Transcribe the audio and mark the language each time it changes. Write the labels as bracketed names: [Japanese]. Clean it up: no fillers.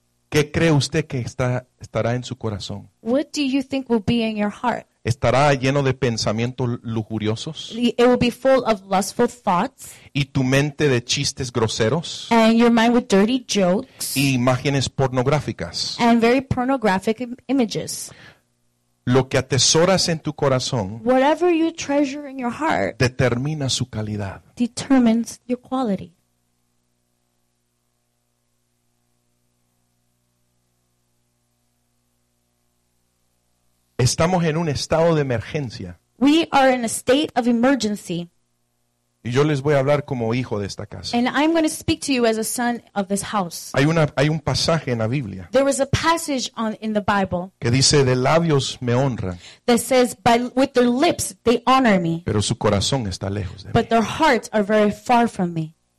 [Spanish] ¿qué cree usted que estará en su corazón? [English] What do you think will be in your heart? [Spanish] Estará lleno de pensamientos lujuriosos. [English] It will be full of lustful thoughts. [Spanish] Y tu mente de chistes groseros. [English] And your mind with dirty jokes. [Spanish] Y imágenes pornográficas. [English] And very pornographic images. [Spanish] Lo que atesoras en tu corazón, [English] whatever you treasure in your heart, [Spanish] determina su calidad. [English] Determines your quality. [Spanish] Estamos en un estado de emergencia. [English] We are in a state of emergency. [Spanish] Y yo les voy a hablar como hijo de esta casa. [English] And I'm going to speak to you as a son of this house. [Spanish] Hay un pasaje en la Biblia. [English] There is a passage in the Bible. [Spanish] Que dice, de labios me honran. [English] That says, with their lips they honor me. [Spanish] Pero su corazón está lejos de [English] But their hearts are very far from me.